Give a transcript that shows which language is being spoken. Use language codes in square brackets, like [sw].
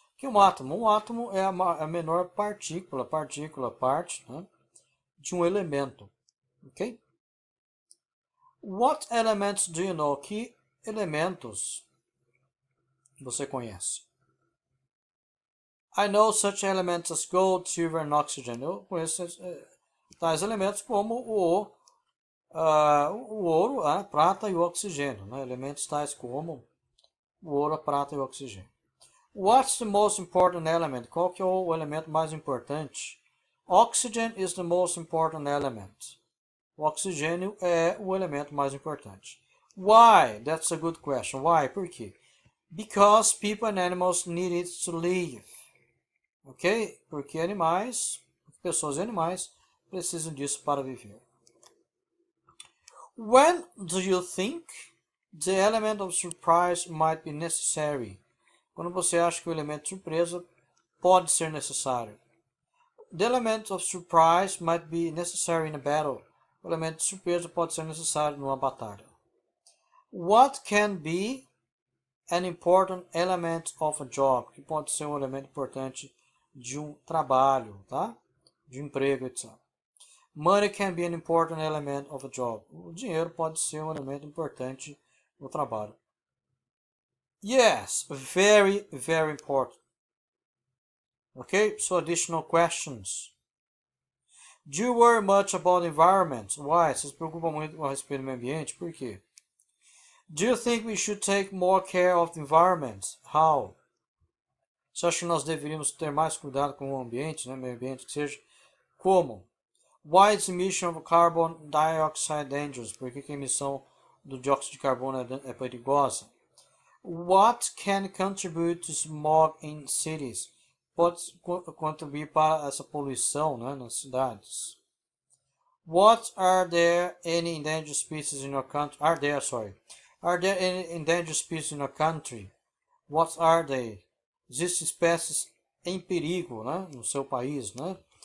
[pt] Que um átomo? Um átomo é a menor partícula, partícula, parte, né, de um elemento. Ok? [en] What elements do you know? [pt] Que elementos você conhece? [en] I know such elements as gold, silver, and oxygen. [pt] Eu conheço tais elementos como o ouro, a prata e o oxigênio, né? Elementos tais como o ouro, a prata e o oxigênio. [en] What's the most important element? [pt] Qual que é o elemento mais importante? [en] Oxygen is the most important element. [pt] O oxigênio é o elemento mais importante. [en] Why? That's a good question. Why? [pt] Por quê? [en] Because people and animals need it to live. Ok? [pt] Porque animais, pessoas e animais, precisam disso para viver. [en] When do you think the element of surprise might be necessary? [pt] Quando você acha que o elemento surpresa pode ser necessário? [en] The element of surprise might be necessary in a battle. [pt] O elemento de surpresa pode ser necessário numa batalha. [en] What can be an important element of a job? [pt] Que pode ser um elemento importante de um trabalho, tá? De um emprego, etc. [en] Money can be an important element of a job. [pt] O dinheiro pode ser um elemento importante no trabalho. [en] Yes, very, very important. Okay, so additional questions. Do you worry much about the environment? Why? [pt] Você se preocupa muito com o respeito do meio ambiente? Por quê? [en] Do you think we should take more care of the environment? How? [pt] Você acha que nós deveríamos ter mais cuidado com o ambiente, né? Meio ambiente que seja? Como? [en] Why is the emission of carbon dioxide dangerous? [pt] Por que que a emissão do dióxido de carbono é perigosa? [en] What can contribute to smog in cities? [pt] Pode contribuir para essa poluição, né, nas cidades. [en] What are there any endangered species in your country? Are there, sorry. Are there any endangered species in your country? What are they? [pt] Existem espécies em perigo, né, no seu país, né?